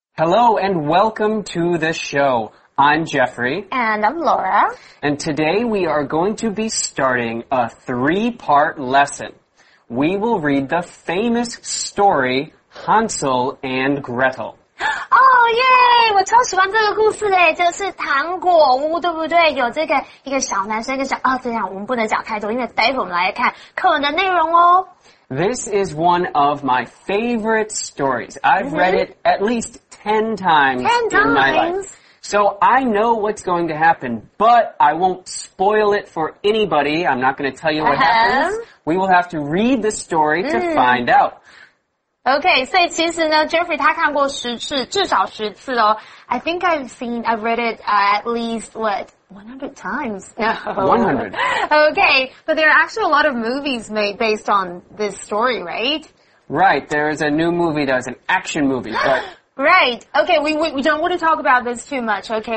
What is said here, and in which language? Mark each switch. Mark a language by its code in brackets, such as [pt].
[en] Hello and welcome to the show. I'm Jeffrey. And I'm Laura. And today we are going to be starting a three-part lesson. We will read the famous story, Hansel and Gretel. Oh, yay! [zh] 我超喜欢这个故事咧，就是糖果屋，对不对？有这个一个小男生跟小二，这样我们不能讲太多，因为待会我们来看课文的内容哦。 [en] This is one of my favorite stories. I've read it at least 10 times in my life. So I know what's going to happen, but I won't spoil it for anybody. I'm not going to tell you what happens. We will have to read the story to find out. [zh] Okay, 所以其实呢 ,Jeffrey 他看过十次,至少十次哦。 [en] I think I've read it at least, what? 100 times? No. 100. Okay, but there are actually a lot of movies made based on this story, right? Right, there is a new movie that is an action movie, but... Right, okay, we don't want to talk about this too much, okay?